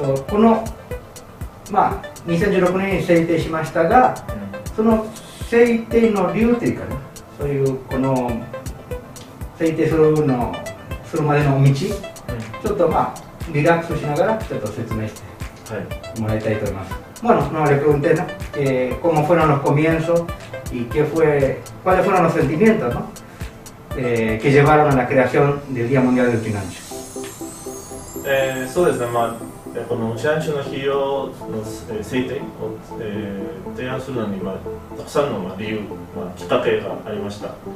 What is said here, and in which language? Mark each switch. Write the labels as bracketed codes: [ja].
[ja] この、まあ、2016年に制定しましたが、その制定の理由というかね、そういうこの制定するまでの道、ちょっとまあ、リラックスしながらちょっと説明してもらいたいと思います。 [es] はい、bueno, no le pregunté, ¿no? ¿Cómo fueron los comienzos? y qué fue, cuáles fueron los sentimientos, ¿no? Que llevaron a la creación del Día Mundial del Uchinanchu. [ja] そうですね、まあ、このウチナンチュの日を、制定を、提案するのに、まあ、たくさんの、まあ、理由、まあ、きっかけがありました。